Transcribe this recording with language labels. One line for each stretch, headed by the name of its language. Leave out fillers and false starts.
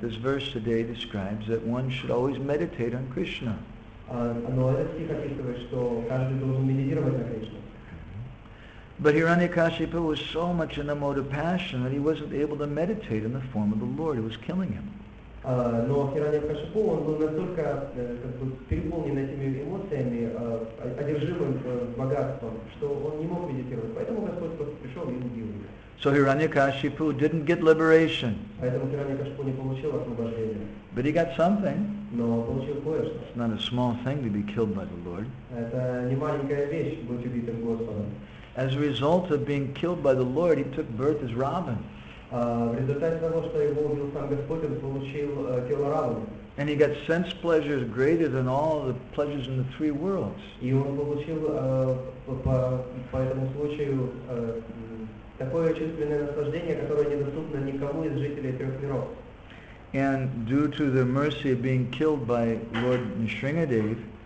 English: This verse today describes that one should always meditate on Krishna.
Russian: Но этот стих описывает, что каждый должен медитировать на Кришне.
English: But Hiranyakashipu was so much in the mode of passion that he wasn't able to meditate in the form of the Lord. It was killing him.
Russian: Но Хираньякашипу, он был настолько переполнен этими эмоциями, одержимым богатством, что он не мог медитировать. Поэтому Господь просто пришел и убил его.
English: So Hiranyakashipu didn't get liberation.
Russian: Поэтому Хираньякашипу не получил освобождение.
English: But he got something.
Russian: Но он получил кое-что.
English: It's not a small thing to be killed by the Lord.
Russian: Это не маленькая вещь быть убитым Господом.
English: As a result of being killed by the Lord, he took birth as Ravan.
Russian: В результате того, что его убил сам Господь, он получил тело Равана.
English: And he got sense pleasures greater than all the pleasures in the three worlds.
Russian: И он получил по этому случаю такое чувственное наслаждение, которое недоступно никому из жителей трех миров.
English: And due to the mercy of being killed by Lord Nrisimhadev,